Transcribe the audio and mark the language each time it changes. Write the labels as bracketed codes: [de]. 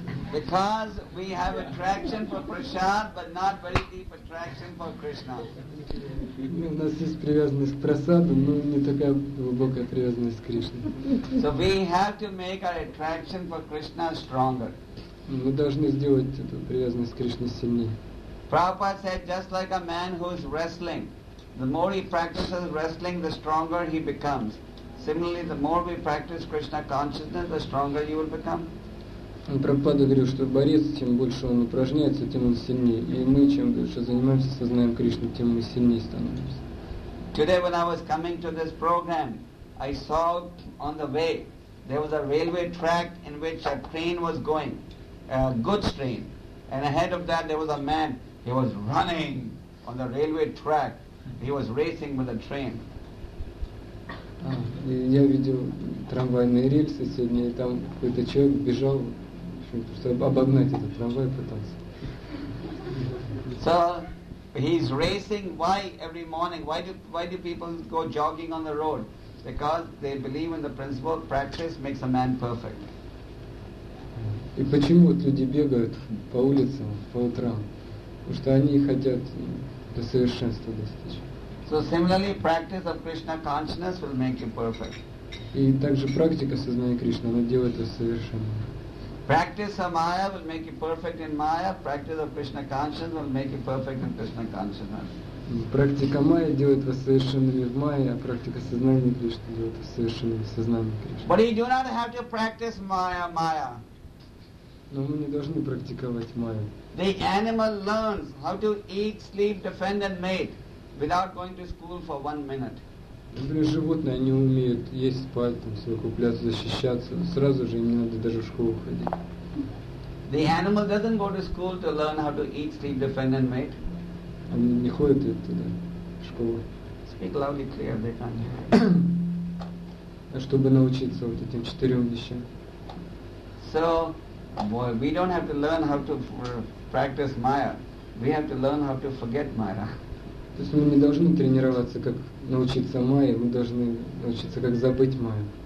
[en] Because we have attraction for prasad, but not very deep attraction for Krishna. [ru] У нас есть привязанность к прасаду, но не такая глубокая привязанность к Кришне. [en] So we have to make our attraction for Krishna stronger. [ru] Мы должны сделать эту привязанность к Кришне сильнее. [en] Prabhupada said, just like a man who is wrestling, the more he practices wrestling, the stronger he becomes. Similarly, the more we practice Krishna consciousness, the stronger you will become. [ru] Prabhupada говорил, что борец, тем больше он упражняется, тем он сильнее. И мы, чем больше занимаемся, сознаем Кришну, тем мы сильнее становимся. [en] Today, when I was coming to this program, I saw on the way, there was a railway track in which a train was going, a goods train. And ahead of that, there was a man. He was running on the railway track. He was racing with the train. [ru] Я видел трамвайные рельсы сегодня, и там какой-то человек бежал, чтобы обогнать этот трамвай пытался. [en] So, he's racing. Why every morning? Why do people go jogging on the road? Because they believe in the principle, practice makes a man perfect. [ru] И почему вот люди бегают по улицам по утрам? Потому что они хотят до совершенства достичь. [en] So similarly, practice of Krishna consciousness will make you perfect. [ru] И также практика сознания Кришны, она делает вас совершенным. [en] Practice of Maya will make you perfect in Maya. Practice of Krishna consciousness will make you perfect in Krishna consciousness. [ru] Практика Майя делает вас совершенными в Майе, а практика сознания Кришны делает вас совершенными в сознании Кришны. [en] But you do not have to practice Maya, Maya. [ru] Но мы не должны практиковать Майю. [en] The animal learns how to eat, sleep, defend and mate without going to school for one minute. [ru] Например, животные, они умеют есть, спать, там, совокупляться, защищаться. Сразу же им не надо даже в школу ходить. [en] The animal doesn't go to school to learn how to eat, sleep, defend and mate. [ru] Они не ходят туда, в школу. [en] Speak loudly, clear, they can't hear. [ru] А чтобы научиться вот этим четырем вещам. [en] So, boy, we don't have to learn how to practice Maya. We have to learn how to forget Maya. [ru] То есть мы не должны тренироваться, как научиться Майе, мы должны научиться, как забыть Майю.